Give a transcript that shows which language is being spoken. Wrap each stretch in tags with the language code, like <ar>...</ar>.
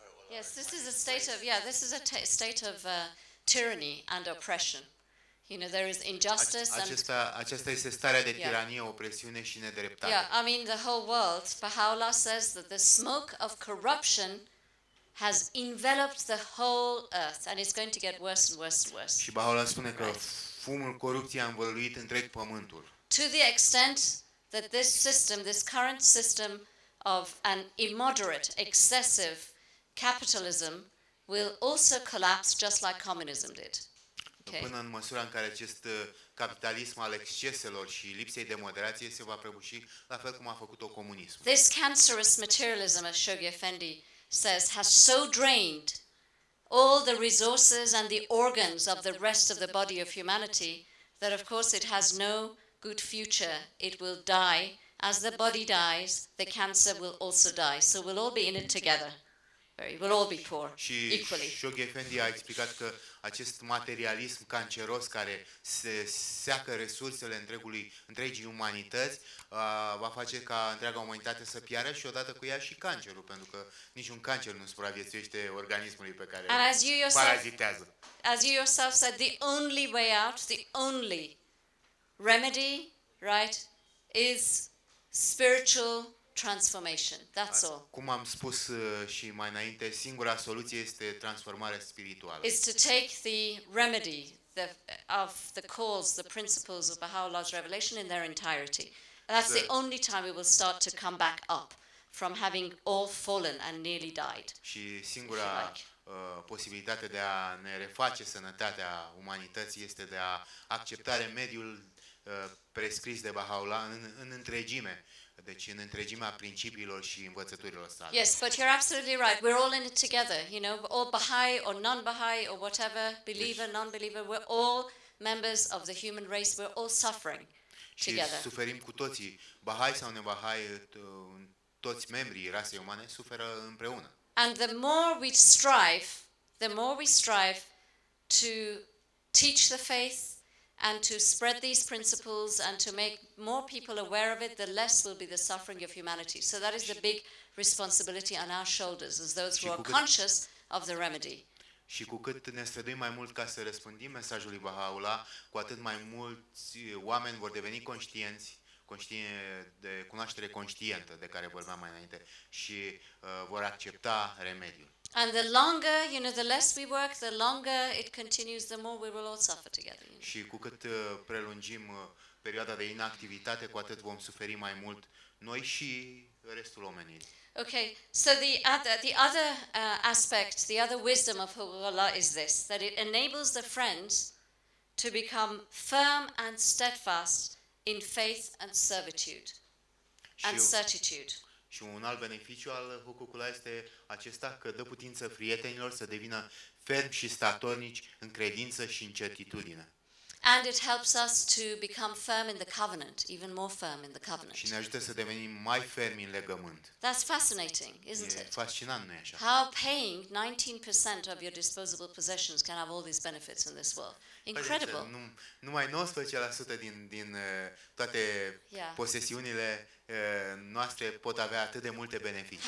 <en>Yes, this is a state of tyranny and oppression. You know, there is injustice and</en> <ro>aceasta este starea de tiranie, opresiune și nedreptate.</ro> <en>Yeah, I mean the whole world. Baha'u'llah says that the smoke of corruption has enveloped the whole earth and it's going to get worse and worse and worse.</en> <ro>Și Baha'u'llah spune că fumul corupției a învăluit întreg pământul.</ro> <en>To the extent that this system, this current system of an immoderate, excessive capitalism will also collapse just like communism did. Okay.</en> <ro>Până în măsura în care acest capitalism al exceselor și lipsei de moderație se va prăbuși la fel cum a făcut-o comunismul.</ro> <en>This cancerous materialism, as Shoghi Effendi says, has so drained all the resources and the organs of the rest of the body of humanity that of course it has no good future. It will die. As the body dies, the cancer will also die. So we'll all be in it together. We'll all be poor,</en> <ro>și</ro> <en>equally.</en> <ro>Shoghi Effendi a explicat că acest materialism canceros care se seacă resursele întregii umanități va face ca întreaga umanitate să piară și odată cu ea și cancerul, pentru că niciun cancer nu supraviețuiește organismului pe care îl parazitează.</ro> <en>As you yourself said, the only way out, the only remedy, right, is spiritual transformation. That's all.</en> <ro>Cum am spus și mai înainte, singura soluție este transformarea spirituală.</ro> <en>Is to take the remedy of the cause, the principles of Baha'u'llah's revelation in their entirety. That's the only time we will start to come back up from having all fallen and nearly died.</en> <ro>Și singura posibilitate de a ne reface sănătatea umanității este de a accepta remediul prescris de Baha'u'llah în întregime. Deci în întregimea principiilor și învățăturilor sale.</ro> <en>Yes, but you're absolutely right. We're all in it together, you know, all Baha'i or non-Baha'i or whatever, believer, non-believer, we're all members of the human race. We're all suffering together.</en> <ro>Și suferim cu toții, Baha'i sau ne-Baha'i, toți membrii rasei umane suferă împreună.</ro> <en>And the more we strive, the more we strive to teach the faith and to spread these principles and to make more people aware of it, the less will be the suffering of humanity. So that is the big responsibility on our shoulders as those who are conscious of the remedy.</en> <ro>Și cu cât ne străduim mai mult ca să răspândim mesajul lui Baha'u'llah, cu atât mai mulți oameni vor deveni conștienți, de cunoaștere conștientă de care vorbeam mai înainte și vor accepta remediul.</ro> <en>And the longer, you know, the less we work, the longer it continues, the more we will all suffer together.</en> <ro>Și cu cât prelungim perioada de inactivitate, cu atât vom suferi mai mult noi și restul omenirii.</ro> <en>Okay, so the other aspect, the other wisdom of Hu'u'llah is this, that it enables the friends to become firm and steadfast in faith and servitude and certitude.</en> <ro>Și un alt beneficiu al Hu'u'llah este acesta, că dă putință prietenilor să devină fermi și statornici în credință și în certitudine.</ro> <en>And it helps us to become firm in the covenant, even more firm in the covenant.</en> <ro>Și ne ajută să devenim mai fermi în legământ.</ro> <en>That's fascinating, isn't it?</en> <ro>E fascinant, nu-i așa?</ro> <en>How paying 19% of your disposable possessions can have all these benefits in this world. Incredible.</en> <ro>Numai 19% din toate posesiunile noastre pot avea atât de multe beneficii.</ro>